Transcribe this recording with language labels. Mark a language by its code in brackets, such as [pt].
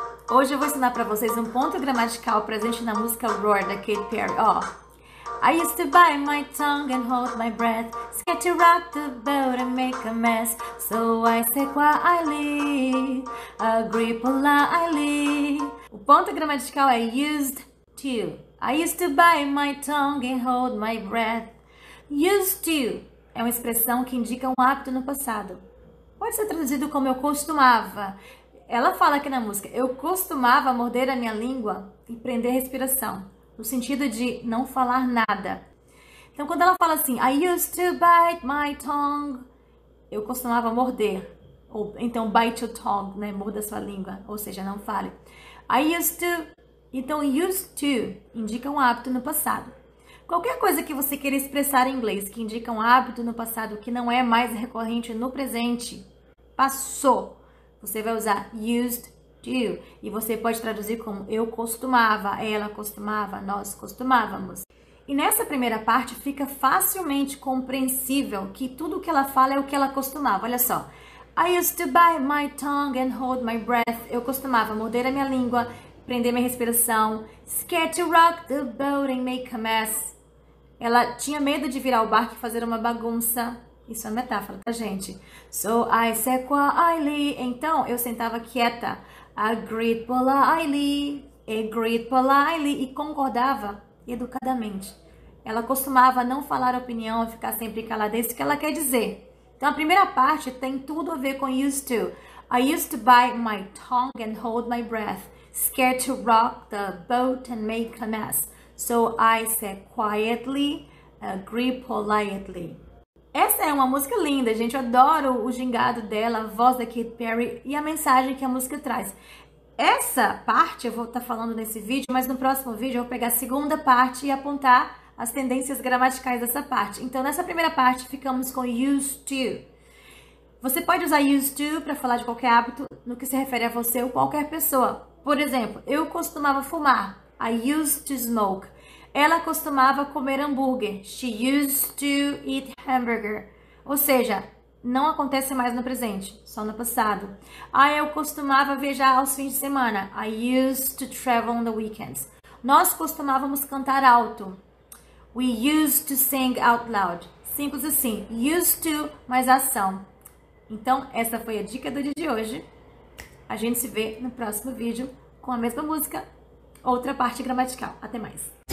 [pt] Hoje eu vou ensinar pra vocês um ponto gramatical presente na música Roar, da Katy Perry, ó. [en] I used to bite my tongue and hold my breath, scared to rock the boat and make a mess. So I say quietly, agree politely. [pt] O ponto gramatical é used to. [en] I used to bite my tongue and hold my breath. [pt] Used to é uma expressão que indica um hábito no passado. Pode ser traduzido como eu costumava. Ela fala aqui na música, eu costumava morder a minha língua e prender a respiração, no sentido de não falar nada. Então, quando ela fala assim, [en] I used to bite my tongue, [pt] eu costumava morder. Ou então, [en] bite your tongue, [pt] né? Morda sua língua, ou seja, não fale. I used to, então, used to indica um hábito no passado. Qualquer coisa que você queira expressar em inglês que indica um hábito no passado que não é mais recorrente no presente, passou, você vai usar used to. E você pode traduzir como eu costumava, ela costumava, nós costumávamos. E nessa primeira parte fica facilmente compreensível que tudo que ela fala é o que ela costumava. Olha só. [en] I used to bite my tongue and hold my breath. [pt] Eu costumava morder a minha língua, prender minha respiração. [en] Scared to rock the boat and make a mess. [pt] Ela tinha medo de virar o barco e fazer uma bagunça. Isso é uma metáfora, tá, gente? [en] So I sat quietly. [pt] Então, eu sentava quieta. [en] Agreed politely. Agreed politely. [pt] E concordava educadamente. Ela costumava não falar opinião, ficar sempre calada. Isso que ela quer dizer. Então, a primeira parte tem tudo a ver com used to. [en] I used to bite my tongue and hold my breath. Scared to rock the boat and make a mess. So I sat quietly. Agreed politely. [pt] Essa é uma música linda, gente. Eu adoro o gingado dela, a voz da Katy Perry e a mensagem que a música traz. Essa parte eu vou estar falando nesse vídeo, mas no próximo vídeo eu vou pegar a segunda parte e apontar as tendências gramaticais dessa parte. Então, nessa primeira parte, ficamos com used to. Você pode usar used to para falar de qualquer hábito no que se refere a você ou qualquer pessoa. Por exemplo, eu costumava fumar. [en] I used to smoke. [pt] Ela costumava comer hambúrguer. [en] She used to eat hamburger. [pt] Ou seja, não acontece mais no presente, só no passado. Ah, eu costumava viajar aos fins de semana. [en] I used to travel on the weekends. [pt] Nós costumávamos cantar alto. [en] We used to sing out loud. [pt] Simples assim. Used to mais ação. Então, essa foi a dica do dia de hoje. A gente se vê no próximo vídeo com a mesma música, outra parte gramatical. Até mais.